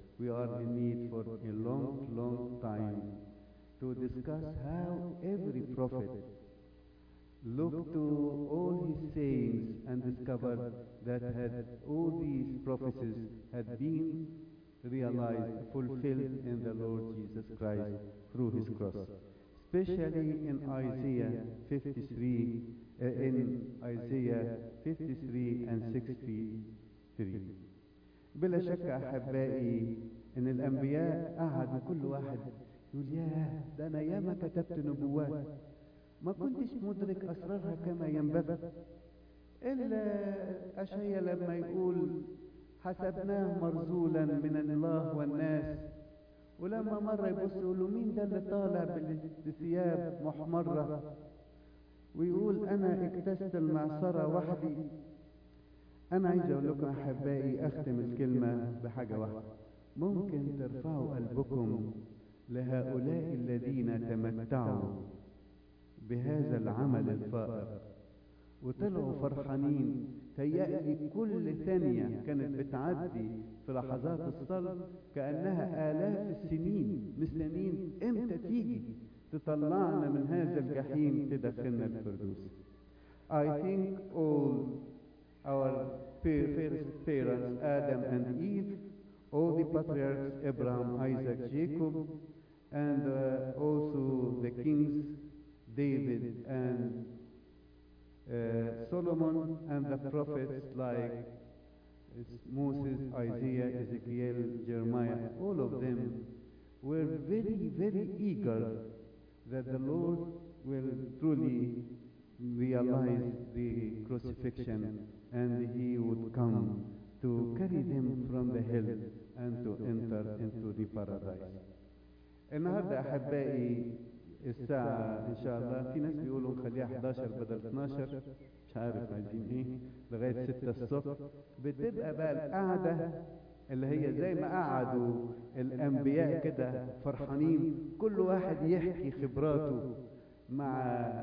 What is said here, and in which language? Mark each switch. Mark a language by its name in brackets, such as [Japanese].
[English] We are in need for a long, long time to discuss how every prophet looked to all his sayings and discovered that had all these prophecies had been realized, fulfilled in the Lord Jesus Christ through his cross. Especially in Isaiah 53, in Isaiah 53 and 63. [Arabic] بلا شك أحبائي إن الأنبياء قعد كل واحد يقول ياه ده أنا ياما كتبت نبوات ما كنتش مدرك أسرارها كما ينبغي، إلا أشعيا لما يقول حسبناه مرذولا من الله والناس، ولما مرة يبص يقول له مين ده اللي طالع بالثياب محمرة ويقول أنا اكتست المعصرة وحدي. أنا عايز أقول لكم أحبائي أختم الكلمة بحاجة واحدة، ممكن ترفعوا قلبكم لهؤلاء الذين تمتعوا بهذا العمل الفائق وطلعوا فرحانين، تهيألي كل ثانية كانت بتعدي في لحظات الصلاة كأنها آلاف السنين مستنين إمتى تيجي تطلعنا من هذا الجحيم تدخلنا الفردوس. [English] I think all our first parents Adam and Eve, all the patriarchs Abraham, Isaac, Jacob, and also the kings David and Solomon, and the prophets like Moses, Isaiah, Ezekiel, Jeremiah, all of them were very, very eager that the Lord will truly realize the crucifixion and he would come to carry them from the hell and to enter into the paradise. [Arabic] النهاردة أحبائي الساعة إن شاء الله في ناس بيقولوا خليها 11 بدل 12 مش عارف عايزين إيه لغاية 6 الصبح، بتبقى بقى القعدة اللي هي زي ما قعدوا الأنبياء كده فرحانين كل واحد يحكي خبراته مع